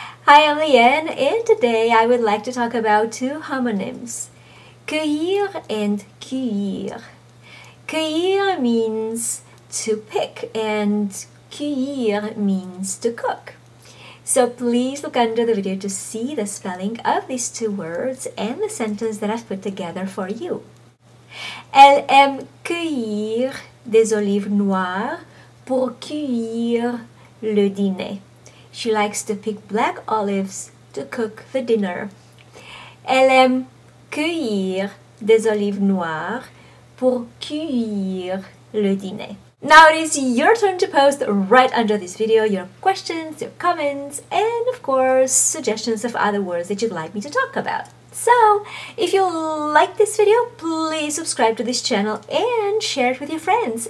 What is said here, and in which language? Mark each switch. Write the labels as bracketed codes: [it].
[en] Hi, I'm Llyane, and today I would like to talk about two homonyms, cueillir and cuire. Cueillir means to pick and cuire means to cook. So please look under the video to see the spelling of these two words and the sentence that I've put together for you. [fr] Elle aime cueillir des olives noires pour cuire le dîner. [en] She likes to pick black olives to cook the dinner. [fr] Elle aime cueillir des olives noires pour cuire le dîner. [en] Now it is your turn to post right under this video your questions, your comments, and of course suggestions of other words that you'd like me to talk about. So, if you like this video, please subscribe to this channel and share it with your friends.